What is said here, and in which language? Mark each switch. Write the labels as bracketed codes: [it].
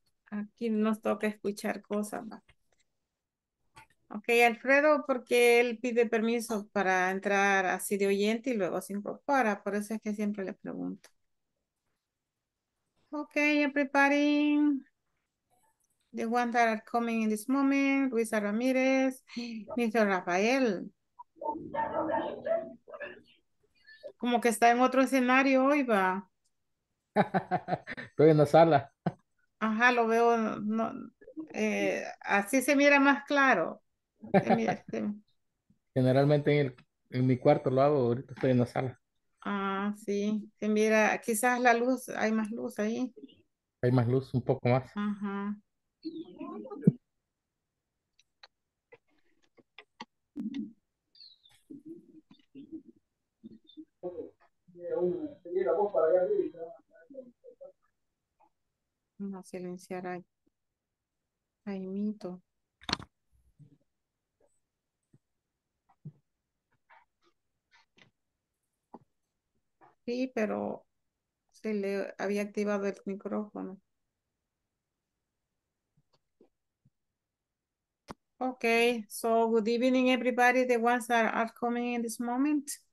[es] Aquí nos toca escuchar cosas. Okay, Alfredo, porque él pide permiso para entrar así de oyente y luego se incorpora, por eso es que siempre le pregunto. [en] Okay, I'm preparing. The ones that are coming in this moment, Luis Ramírez, Mr. Rafael. [es] Como que está en otro escenario hoy, va. estoy en la sala. Ajá, lo veo, no, así se mira más claro. Generalmente en mi cuarto lo hago, ahorita estoy en la sala. Ah, sí, se mira, quizás la luz, hay más luz ahí. Hay más luz, un poco más. Ajá. Vamos a silenciar ahí. Ahí mito. Sí, pero se le había activado el micrófono. [en] Okay, so good evening, everybody, the ones that are coming in this moment.